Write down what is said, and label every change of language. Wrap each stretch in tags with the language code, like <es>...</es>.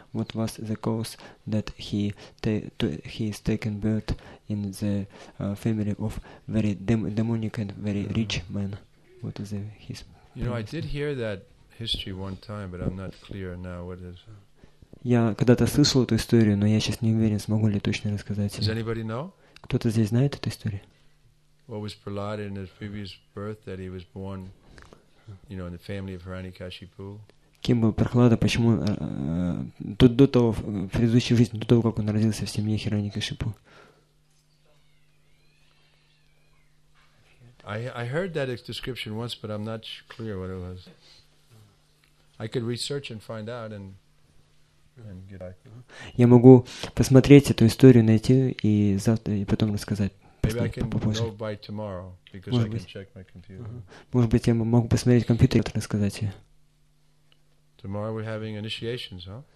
<en>What was the cause that he is taken birth in the family of very demonic and very rich man? What is his... You know, I did hear that history one time, but I'm not clear now what is...</en> <ru>Я когда-то слышал эту историю, но я сейчас не уверен, смогу ли точно рассказать.</ru> <en>Does anybody know?</en> <ru>Кто-то здесь знает эту историю?</ru> <en>What was Prahlad in his previous birth, that he was born, you know, in the family of Hiranyakashipu?</en> <ru>Кем был Прахлада, почему до того, в предыдущей жизни, до того, как он родился в семье Хираньякашипу?</ru> <en>I heard that description once, but I'm not clear what it was. I could research and find out and...</en> <ru>Я могу посмотреть эту историю, найти и завтра и потом рассказать. Может быть, я могу посмотреть компьютер и рассказать ее.</ru> <en>Tomorrow we're having initiations, huh?</en>